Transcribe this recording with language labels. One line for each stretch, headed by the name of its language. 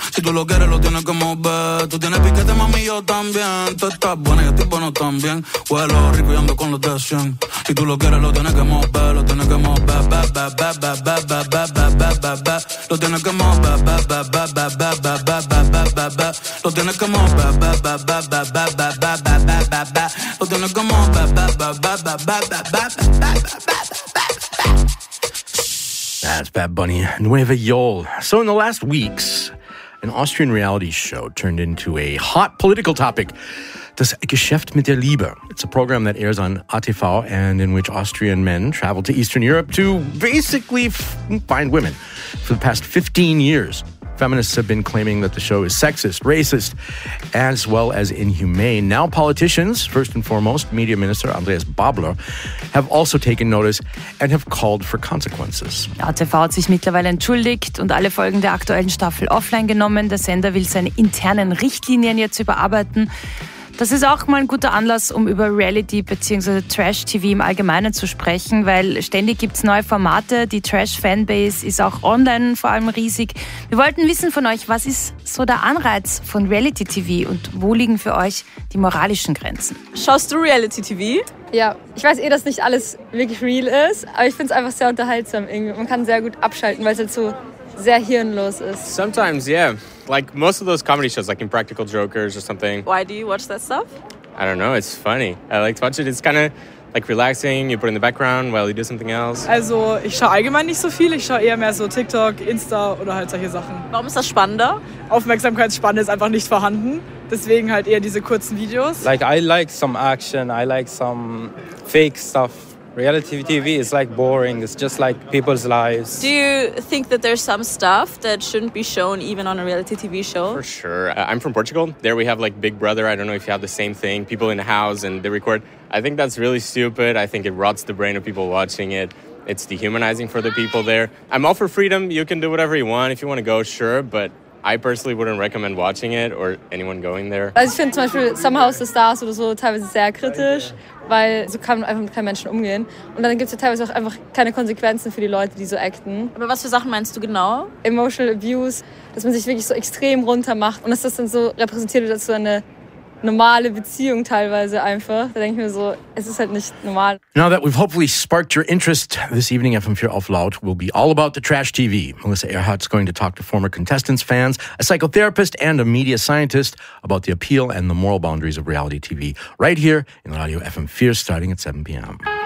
Spanish: Si tú lo quieres, lo tienes que mover. Tú tienes piquete, mami, yo también. Tú estás buena, yo estoy bueno también. Huelo rico y ando con los de 100. Si tú lo quieres, lo tienes que mover. Lo tienes que mover. Ba, ba, ba, ba, ba, ba, ba, ba, ba, ba. Lo tienes que mover. Ba, ba, ba, ba, ba, ba, ba, ba, ba, ba, ba. Lo tienes que mover. Ba, ba, ba, ba, ba, ba, ba, ba, ba, ba, ba. Lo tienes que mover. Ba, ba, ba, ba, ba, ba, ba, ba, ba, ba, ba.
English: That's Bad Bunny, Nueva Yol. So in the last weeks, an Austrian reality show turned into a hot political topic, Das Geschäft mit der Liebe. It's a program that airs on ATV and in which Austrian men travel to Eastern Europe to basically find women. For the past 15 years, feminists have been claiming that the show is sexist, racist, as well as inhumane. Now politicians, first and foremost, Media Minister Andreas Babler, have also taken notice and have called for consequences.
German: ATV hat sich mittlerweile entschuldigt und alle Folgen der aktuellen Staffel offline genommen. Der Sender will seine internen Richtlinien jetzt überarbeiten. Das ist auch mal ein guter Anlass, um über Reality bzw. Trash-TV im Allgemeinen zu sprechen, weil ständig gibt es neue Formate, die Trash-Fanbase ist auch online vor allem riesig. Wir wollten wissen von euch, was ist so der Anreiz von Reality-TV und wo liegen für euch die moralischen Grenzen? Schaust du Reality-TV? Ja, ich weiß eh, dass nicht alles wirklich real ist, aber ich finde es einfach sehr unterhaltsam. Man kann sehr gut abschalten, weil es halt so sehr hirnlos ist.
English: Sometimes, yeah. Like most of those comedy shows, like Impractical Jokers or something. Why do you watch that stuff? I don't know, it's funny. I like to watch it. It's kind of like relaxing. You put it in the background while you do something else.
German: Also, ich schaue allgemein nicht so viel. Ich schaue eher mehr so TikTok, Insta oder halt solche Sachen. Warum ist das spannender? Aufmerksamkeitsspanne ist einfach nicht vorhanden. Deswegen halt eher diese kurzen Videos.
English: Like, I like some action. I like some fake stuff. Reality TV is like boring, it's just like people's lives. Do you think that there's some stuff that shouldn't be shown even on a reality TV show? For sure. I'm from Portugal. There we have like Big Brother. I don't know if you have the same thing. People in the house and they record. I think that's really stupid. I think it rots the brain of people watching it. It's dehumanizing for the people there. I'm all for freedom. You can do whatever you want. If you want to go, sure, but I personally wouldn't recommend watching it or anyone going there.
German: Also ich finde zum Beispiel Sommerhaus der Stars oder so teilweise sehr kritisch, weil so kann man einfach mit keinen Menschen umgehen. Und dann gibt es ja teilweise auch einfach keine Konsequenzen für die Leute, die so acten. Aber was für Sachen meinst du genau? Emotional Abuse, dass man sich wirklich so extrem runter macht und dass das dann so repräsentiert wird als so eine normale Beziehung teilweise einfach. Da denke ich mir so, es ist halt nicht normal.
English: Now that we've hopefully sparked your interest, this evening FM4 Auf Laut will be all about the trash TV. Melissa Earhart's going to talk to former contestants, fans, a psychotherapist and a media scientist about the appeal and the moral boundaries of reality TV right here in Radio FM4 starting at 7 p.m.